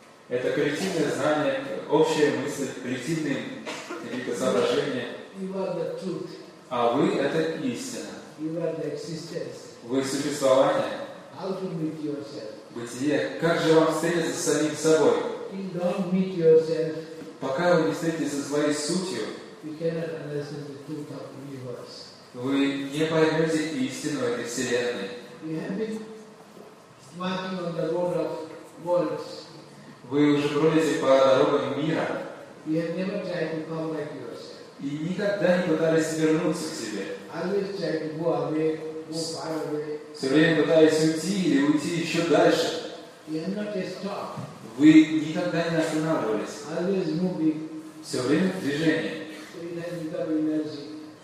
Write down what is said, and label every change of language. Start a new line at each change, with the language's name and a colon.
Russian: Это коллективное знание, общая мысль, коллективные какие-то соображения.
English: You are the truth.
Russian: А вы это истина.
English: You are the existence.
Russian: Вы существование.
English: How to meet yourself?
Russian: Бытие. Как же вам встретиться с самим собой?
English: You don't meet yourself.
Russian: Пока вы не встретитесь со своей сутью,
English: you cannot understand the truth of the universe.
Russian: Вы не поймете истину этой Вселенной.
English: You have been walking on the road of worlds.
Russian: Вы уже бродите по дорогам мира.
English: You have never tried to come back to yourself.
Russian: И никогда не пытались вернуться к себе.
English: Always tried to go away, go far away.
Russian: Все время пытались уйти или уйти еще дальше.
English: You have not yet stopped.
Russian: Вы никогда не останавливались. Все время в движении. So